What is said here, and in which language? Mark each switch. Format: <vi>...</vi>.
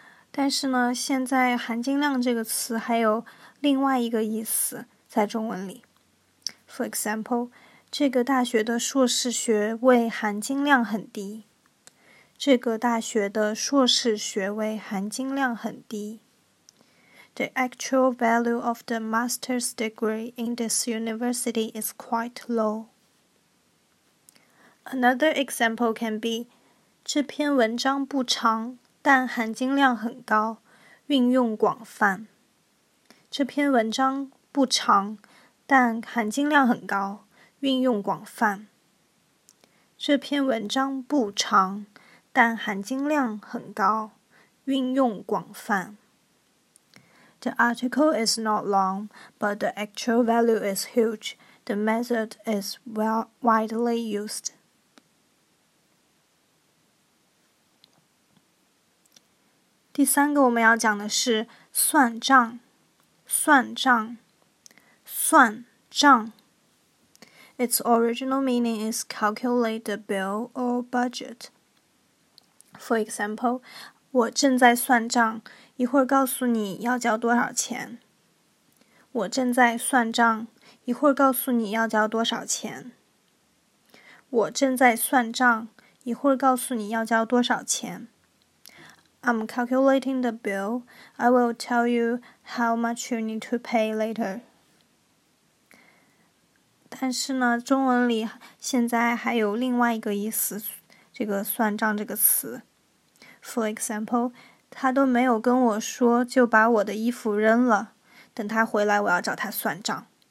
<zh>但是呢，现在含金量这个词还有另外一个意思在中文里。</zh> <en>For example,</en> <zh>这个大学的硕士学位含金量很低。这个大学的硕士学位含金量很低。</zh> <en>The actual value of the master's degree in this university is quite low. Another example can be,</en> <zh>这篇文章不长。但含金量很高，运用广泛。这篇文章不长，但含金量很高，运用广泛。这篇文章不长，但含金量很高，运用广泛。</zh> <en>The article is not long, but the actual value is huge. The method is widely used.</en> <zh>第三个我们要讲的是算账。算账。算账。</zh> <en>Its original meaning is calculate the bill or budget. For example,</en> <zh>我正在算账，一会儿告诉你要交多少钱。我正在算账，一会儿告诉你要交多少钱。我正在算账，一会儿告诉你要交多少钱。</zh> <en>I'm calculating the bill. I will tell you how much you need to pay later.</en> <zh>但是呢，中文里现在还有另外一个意思，这个算账这个词。</zh> <en>For example,</en> <zh>他都没有跟我说就把我的衣服扔了，等他回来我要找他算账。</zh>